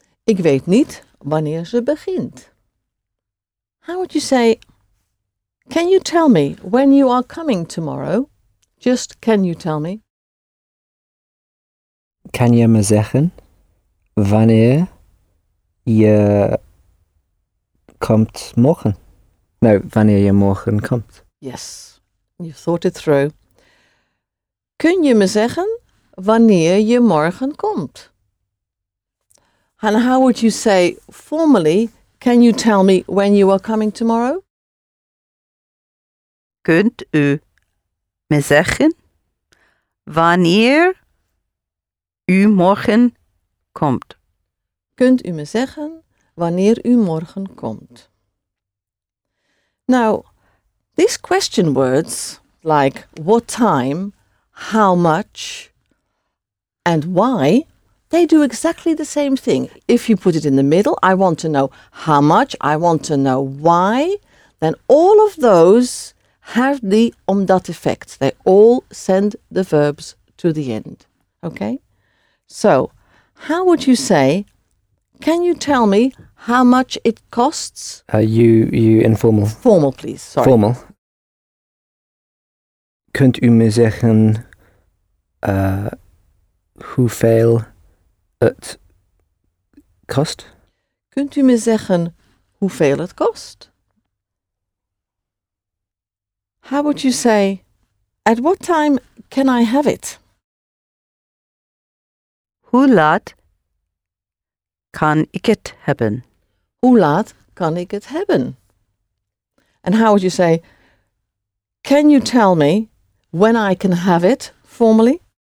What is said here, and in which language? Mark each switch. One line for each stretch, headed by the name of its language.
Dutch: Ik weet niet wanneer ze begint.
English: How would you say, can you tell me when you are coming tomorrow? Just can you tell me?
Dutch: Kan je me zeggen wanneer je komt morgen? No, wanneer je morgen komt.
English: Yes, you've thought it through.
Dutch: Kun je me zeggen wanneer je morgen komt?
English: And how would you say formally, can you tell me when you are coming tomorrow?
Dutch: Kunt u me zeggen wanneer u morgen komt? Kunt u me zeggen wanneer u morgen komt?
English: Now, these question words like what time, how much, and why, they do exactly the same thing. If you put it in the middle, I want to know how much, I want to know why, then all of those have the omdat effect. They all send the verbs to the end. Okay? So, how would you say, can you tell me how much it costs? You informal. Formal, please. Sorry. Formal.
Dutch: Kunt u me zeggen hoeveel het kost? Kunt u me zeggen hoeveel het kost?
English: How would you say, at what time can I have it?
Dutch: Hoe laat kan ik het hebben? Hoe laat kan ik het hebben?
English: And how would you say, can you tell me when I can have it formally?